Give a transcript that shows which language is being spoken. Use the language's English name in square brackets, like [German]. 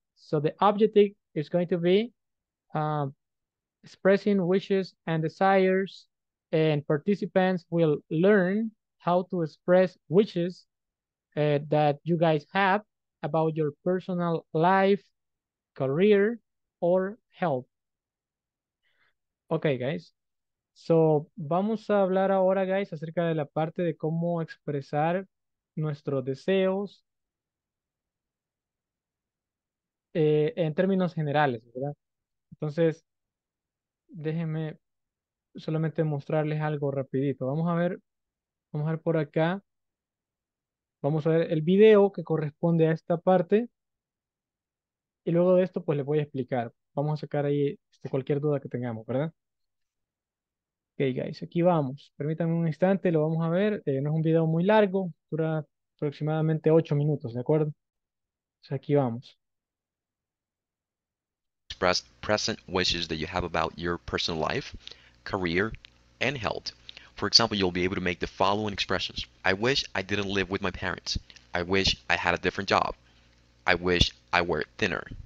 [English] So the objective is going to be expressing wishes and desires, and participants will learn how to express wishes that you guys have about your personal life, career, or help. Okay, guys. [Spanish] So, vamos a hablar ahora, guys, acerca de la parte de cómo expresar nuestros deseos en términos generales, ¿verdad? Entonces, déjenme solamente mostrarles algo rapidito. Vamos a ver por acá. Vamos a ver el video que corresponde a esta parte. Y luego de esto, pues, les voy a explicar. Vamos a sacar ahí cualquier duda que tengamos, ¿verdad? Ok, guys, aquí vamos. Permítanme un instante, lo vamos a ver. No es un video muy largo, dura aproximadamente 8 minutos, ¿de acuerdo? Entonces aquí vamos. [English] Express present wishes that you have about your personal life, career, and health. For example, you'll be able to make the following expressions. I wish I didn't live with my parents. I wish I had a different job. I wish I were thinner.